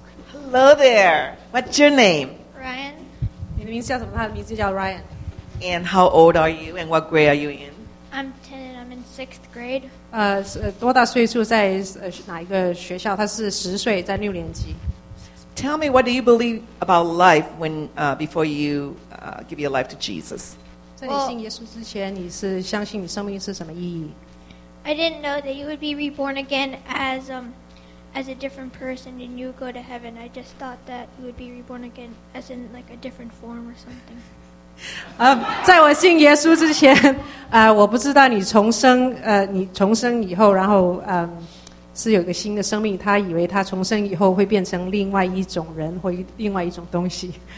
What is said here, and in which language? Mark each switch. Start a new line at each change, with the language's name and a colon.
English: Hello there. What's your name? Ryan.
Chinese: 你的名字叫什么？他的名字叫 Ryan.
English: And how old are you? And what grade are you in? I'm 10 and I'm in 6th grade.
Chinese: 多大岁数在哪一个学校？他是十岁，在六年级。
English: Tell me, what do you believe about life when before you give your life to Jesus?
Chinese: 在你信耶稣之前，你是相信你生命是什么意义？
English: I didn't know that you would be reborn again as a different person and you go to heaven. I just thought that you would be reborn again as in like a different form or something.
Chinese: 在我信耶稣之前，我不知道你重生，你重生以后，然后是有个新的生命。他以为他重生以后会变成另外一种人或另外一种东西。